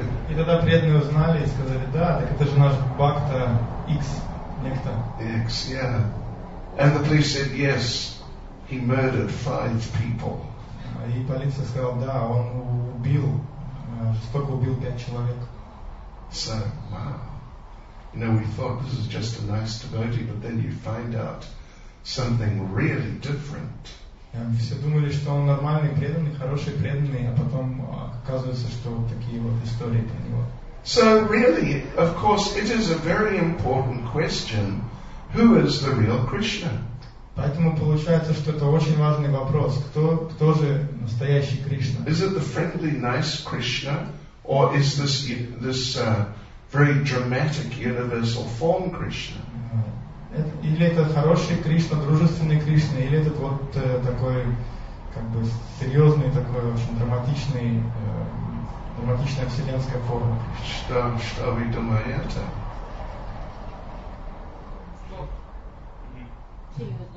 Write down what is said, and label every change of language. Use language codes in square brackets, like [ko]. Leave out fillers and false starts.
[ru] И тогда преданные узнали и сказали, да, так это же наш Бхакта X некто. [en] X, yeah. And the police said, yes. He murdered 5 people. [ru] И полиция сказала, да, он убил, жестоко убил 5 человек. [en] So, wow. You know, we thought this is just a nice devotee, but then you find out something really different. [ru] Все думали, что он нормальный преданный, хороший преданный, а потом оказывается, что такие вот истории про него. [en] So, really, of course, it is a very important question. Who is the real Krishna? [ru] Поэтому получается, что это очень важный вопрос. Кто же настоящий Кришна? [en] Is it the friendly, nice Krishna, or is this very dramatic universal form Krishna? [ru] Или это хороший Кришна, дружественный Кришна, или этот вот такой как бы серьезный, такой очень драматичная вселенская форма. Что вы думаете? Что?